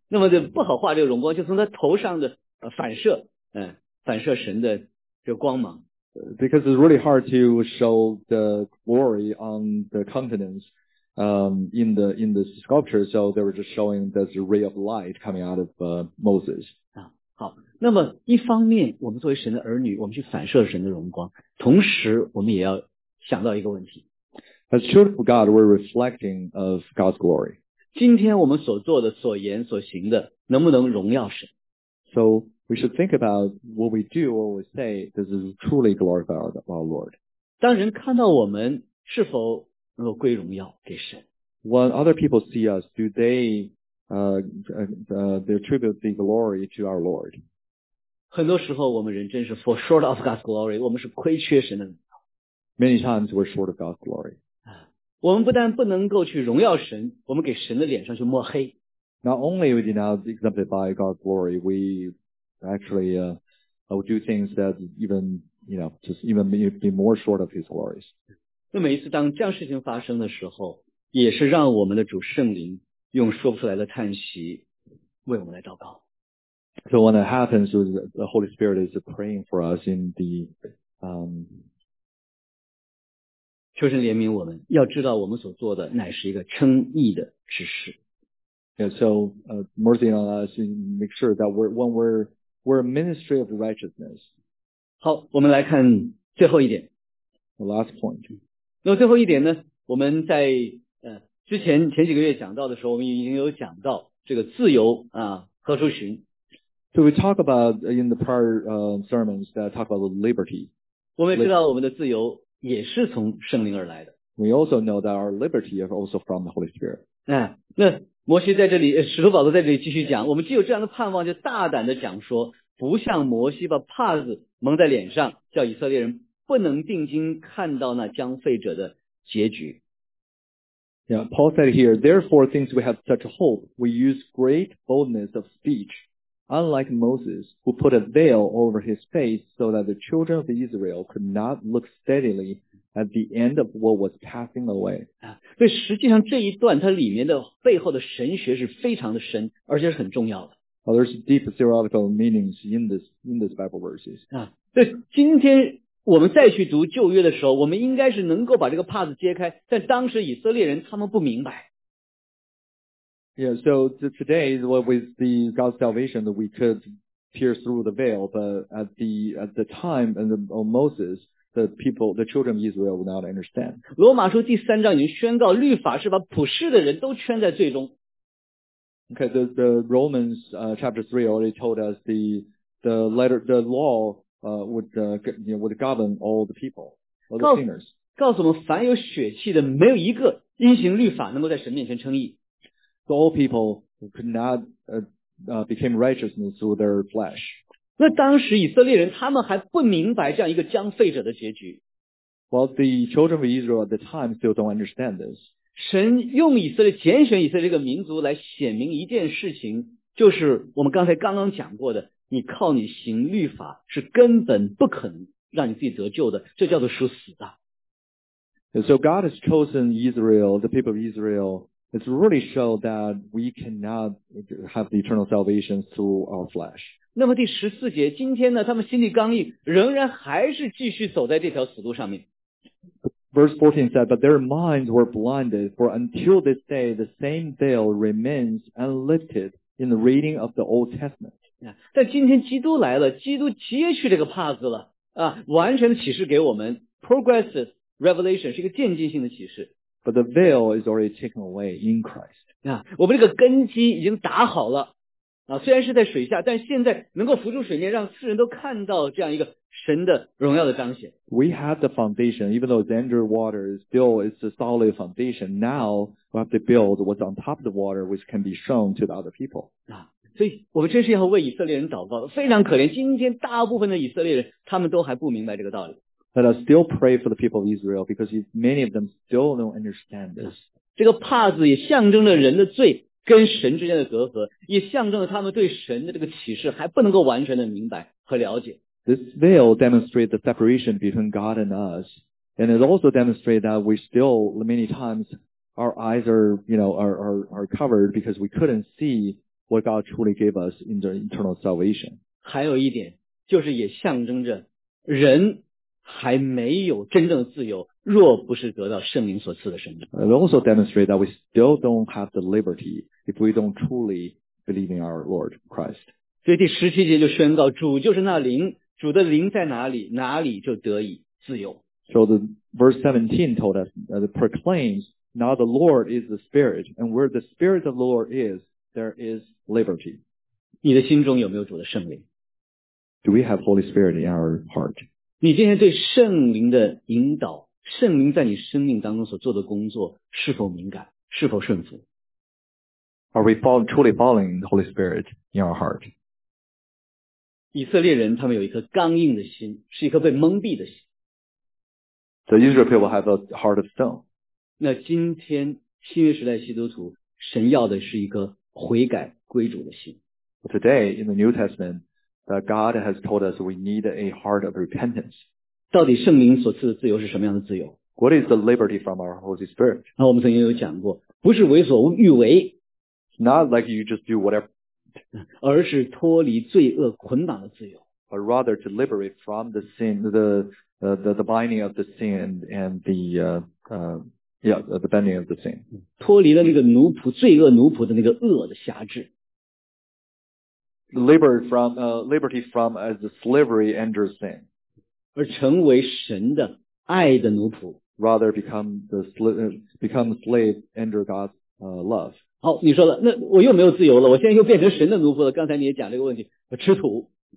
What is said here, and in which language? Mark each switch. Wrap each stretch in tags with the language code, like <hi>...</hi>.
<zh>那么就不好画这个荣光，就从他头上的反射神的这个光芒。</zh> <en>Because it's really hard to show the glory on the countenance in the sculpture, so they were just showing this ray of light coming out of Moses.</en> <zh>好，那么一方面我们作为神的儿女，我们去反射神的荣光，同时我们也要想到一个问题。</zh> <en>As children of God, we're reflecting of God's glory.</en> <zh>今天我们所做的、所言、所行的，能不能荣耀神？</zh> <en>So,we should think about what we do, what we say, this is truly glorify our Lord.</en> <zh>当人看到我们是否能够归荣耀给神。</zh> <en>When other people see us, do they attribute the glory to our Lord?</en> <zh>很多时候我们人真是</zh> <en>fall short of God's glory,</en> <zh>我们是亏缺神的。</zh> <en>Many times we're short of God's glory.</en> <zh>我们不但不能够去荣耀神，我们给神的脸上去抹黑。</zh> <en>Not only we do not exemplify God's glory, weActually, I would do things that even, you know, just even be more short of his glories.</en> <zh>那每一次当这样事情发生的时候，也是让我们的主圣灵用说不出来的叹息为我们来祷告。</zh> <en>So when it happens, the Holy Spirit is praying for us in the,</en> <zh>求神怜悯我们，要知道我们所做的乃是一个称义的之事。</zh> <en>Yeah, so, mercy on us, make sure that we're a ministry of righteousness.</en> <zh>好，我们来看最后一点。</zh> <en>The last point.</en> <zh>那最后一点呢，我们在之前前几个月讲到的时候，我们已经有讲到这个自由啊何处寻。</zh> <en>So we talk about in the prior sermons that talk about the liberty.</en> <zh>我们知道我们的自由也是从圣灵而来的。</zh> <en>We also know that our liberty is also from the Holy Spirit.</en> <zh>那摩西在这里，使徒保罗在这里继续讲，我们既有这样的盼望，就大胆的讲说，不像摩西把帕子蒙在脸上，叫以色列人不能定睛看到那将废者的结局。</zh> <en>Yeah, Paul said here, therefore, since we have such hope, we use great boldness of speech, unlike Moses, who put a veil over his face so that the children of Israel could not look steadily at the end of what was passing away.</en> <zh>所以实际上这一段它里面的背后的神学是非常的深，而且是很重要的。</zh> <en>Well, there's deep theological meanings in this Bible verses.</en> <zh>对，今天我们再去读旧约的时候，我们应该是能够把这个帕子揭开，但当时以色列人他们不明白。</zh> <en>Yeah, so today, with the God's salvation, we could pierce through the veil, but at the time of Moses,the children of Israel will not understand.</en> <zh>罗马书第三章已经宣告律法是把普世的人都圈在罪中。</zh> <en>Okay, the Romans chapter 3 already told us the law would govern all the people, all the sinners.</en> <zh>告诉我们凡有血气的没有一个因行律法能够在神面前称义。</zh> <en>So all people could not became righteousness through their flesh.</en> <zh>那当时以色列人他们还不明白这样一个将废者的结局。</zh> <en>Well, the children of Israel at the time still don't understand this.</en> <zh>神用以色列拣选以色列这个民族来显明一件事情，就是我们刚才刚刚讲过的，你靠你行律法是根本不可能让你自己得救的，这叫做属死的。</zh> <en>So God has chosen Israel, the people of Israel, it's really show that we cannot have the eternal salvation through our flesh.</en> <zh>那么第十四节，今天呢，他们心里刚硬，仍然还是继续走在这条死路上面。</zh> <en>Verse 14 said, but their minds were blinded, for until this day, the same veil remains unlifted in the reading of the Old Testament.</en> <zh>但今天基督来了，基督揭去这个帕子了，完全的启示给我们 ,</zh> <en>progresses,Revelation</en> <zh>是一个渐进性的启示。</zh> <en>But the veil is already taken away in Christ.</en> <zh>我们这个根基已经打好了。虽然是在水下，但现在能够浮出水面，让世人都看到这样一个神的荣耀的彰显。 We have the foundation, even though it's under water, still it's a solid foundation.</zh> <en>Now, we have to build what's on top of the water, which can be shown to the other people.</en> <zh>所以我们真是要为以色列人祷告，非常可怜，今天大部分的以色列人，他们都还不明白这个道理。</zh> <en>Let us still pray for the people of Israel because many of them still don't understand this.</en> <zh>这个帕子也象征着人的罪跟神之间的隔阂，也象征着他们对神的这个启示还不能够完全的明白和了解。</zh> <en>This veil demonstrates the separation between God and us, and it also demonstrates that we still many times our eyes are, you know, are covered because we couldn't see what God truly gave us in the eternal salvation.</en> <zh>还有一点就是也象征着人还没有真正的自由，若不是得到圣灵所赐的生命。</zh> <en>It also demonstrates that we still don't have the liberty if we don't truly believe in our Lord Christ.</en> <zh>所以第十七节就宣告，主就是那灵，主的灵在哪里，哪里就得以自由。</zh> <en>So the verse 17 told us, proclaims, now the Lord is the Spirit, and where the Spirit of the Lord is, there is liberty.</en> <zh>你的心中有没有主的圣灵？</zh> <en>Do we have Holy Spirit in our heart?</en> <zh>你今天对圣灵的引导，圣灵在你生命当中所做的工作是否敏感，是否顺服？</zh> <en>Are we truly following the Holy Spirit in our heart?</en> <zh>以色列人他们有一颗刚硬的心，是一颗被蒙蔽的心。</zh> <en>The Israel people have a heart of stone.</en> <zh>那今天新约时代基督徒，神要的是一颗悔改归主的心。</zh> <en>Today in the New Testament,that God has told us we need a heart of repentance.</en> <zh>到底圣灵所赐的自由是什么样的自由？</zh> <en>What is the liberty from our Holy Spirit?</en> <zh>那我们曾经有讲过，不是为所欲为。</zh> <en>It's not like you just do whatever.</en> <zh>而是脱离罪恶捆绑的自由。</zh> <en>But rather to liberate from the sin, the binding of the sin and the, the bending of the sin.</en> <zh>脱离了那个奴仆，罪恶奴仆的那个恶的辖制。</zh> <en>Liberty from as a slavery under sin.</en> <zh>而成为神的爱的奴仆。</zh> <en>Rather become the become slave under God's love.</en> <zh>好，你说了，那我又没有自由了，我现在又变成神的奴仆了。刚才你也讲这个问题，吃土。</zh>